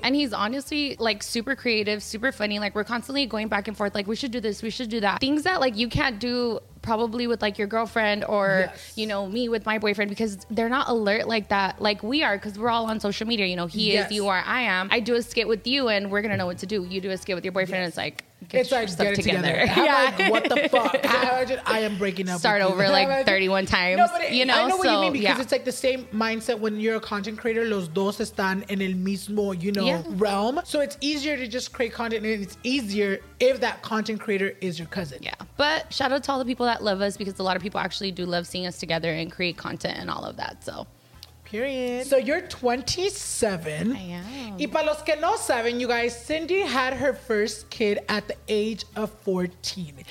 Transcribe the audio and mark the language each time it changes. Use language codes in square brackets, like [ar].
[en] And he's honestly, like, super creative, super funny. Like, we're constantly going back and forth, like, we should do this, we should do that, things that, like, you can't do probably with, like, your girlfriend or, you know, me with my boyfriend, because they're not alert like that, like we are, because we're all on social media, you know. He is, you are, I am. I do a skit with you and we're gonna know what to do. You do a skit with your boyfriend, and it's like, it's like, get it together. Like, what the fuck? I am breaking up. Start over, like, 31 times. No, but it, you know? I know what so, you mean, because yeah. it's like the same mindset when you're a content creator. [es] Los dos están en el mismo, [en] you know, realm. So it's easier to just create content, and it's easier if that content creator is your cousin. Yeah. But shout out to all the people that love us, because a lot of people actually do love seeing us together and create content and all of that. So period. So you're 27. I am. [es] Y para los que no saben, [en] you guys, Cindy had her first kid at the age of 14.